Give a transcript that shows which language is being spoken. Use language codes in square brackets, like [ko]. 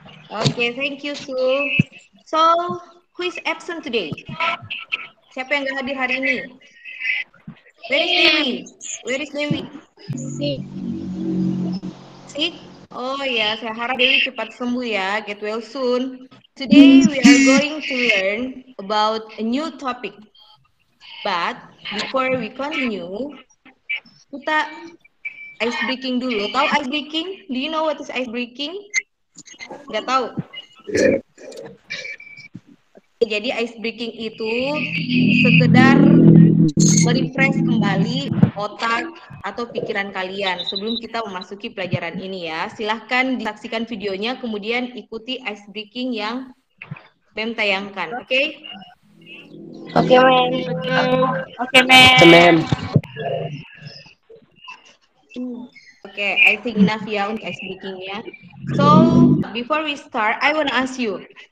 [en] Okay, thank you, Su. So, who is absent today? [id] Siapa yang gak hadir hari ini? [en] Where is Dewi? Sick. Oh ya, yeah. [id] Saya harap Dewi cepat sembuh ya. [en] Get well soon. Today we are going to learn about a new topic. But before we continue, [id] kita ice breaking dulu. Tahu ice breaking? [en] Do you know what is ice breaking? [id] Gak tahu. Jadi ice breaking itu sekedar merefresh kembali otak atau pikiran kalian sebelum kita memasuki pelajaran ini ya. Silahkan disaksikan videonya, kemudian ikuti ice breaking yang Mem tayangkan, oke? Oke, Mem. Oke, Mem. [en] Oke, I think enough [id] ya untuk ice breakingnya. [en] So, before we start, I want to ask you.